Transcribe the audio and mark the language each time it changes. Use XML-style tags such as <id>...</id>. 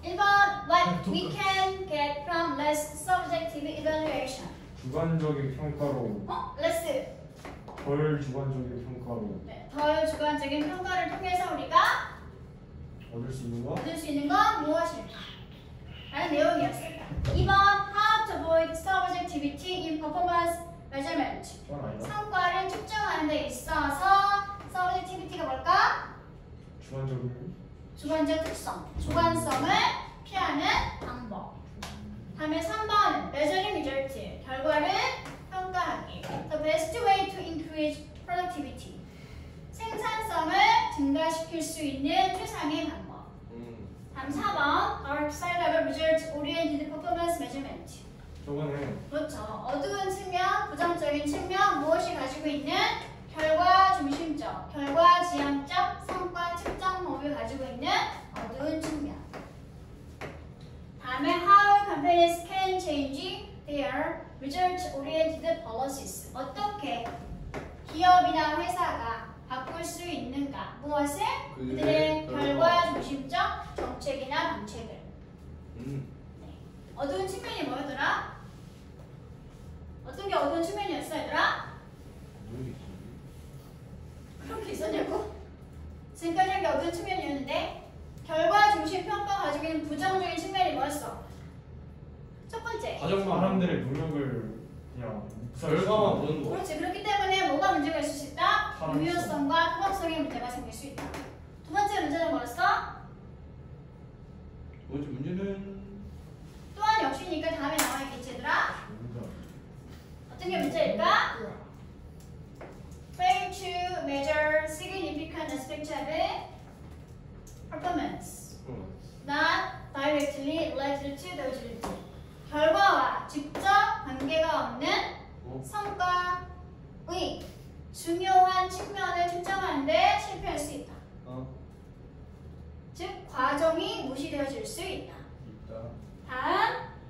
<en>1번 What we can get from less subjective evaluation.</en> <ko>주관적인 평가로.</ko> <en>어? Less.</en> <ko>덜 주관적인 평가로. 네, 덜 주관적인 평가를 통해서 우리가 얻을 수 있는 거? 얻을 수 있는 건 무엇일까? 라는 내용이었을까?</ko> <en>2번 How to avoid subjectivity in performance measurement.</en> <ko>성과를 측정하는 데 있어서 서브젝티비티가 뭘까? 주관적인 주관적 특성, 주관성을 피하는 방법. 다음에 3번</ko> <en>measuring results,</en> <ko>결과를 평가하기.</ko> <en>The best way to increase productivity,</en> <ko>생산성을 증가시킬 수 있는 최상의 방법. 다음 4번</ko> <en>dark side level results oriented performance measurement.</en> <ko>저번에 그렇죠. 어두운 측면, 부정적인 측면 무엇이 가지고 있는 결과 중심적, 결과 지향적, 성과 측정 범위를 가지고 있는 어두운 측면.</ko> <en>다음에 How companies can change their results-oriented policies.</en> <ko>어떻게 기업이나 회사가 바꿀 수 있는가? 무엇을? 그들의 결과 중심적 정책이나 방책을. 어두운 측면이 뭐더라? 어떤 게 어두운 측면이었어, 얘들아? 그렇게 있었냐고? 지금까지 한 게 어두운 측면이었는데 결과 중심 평가 가지기는 부정적인 측면이 뭐 있어? 첫 번째. 가장 사람들의 노력을 그냥 결과만 보는 거. 그렇지. 그렇기 때문에 뭐가 문제가 있을 수 있다? 유효성과 통합성의 문제가 생길 수 있다. 두 번째 문제는 뭐였어? 뭐지 문제는? 또한 역시니까 다음에 나와 있겠지 얘들아? 어떤 게 문제일까?</ko> <en>Fail to measure significant aspects of performance that directly led to those results.</en> <ko>결과와 직접 관계가 없는 성과의 중요한 측면을 측정하는 데 실패할 수 있다. 즉 과정이 무시되어질 수 있다. 있다.</ko>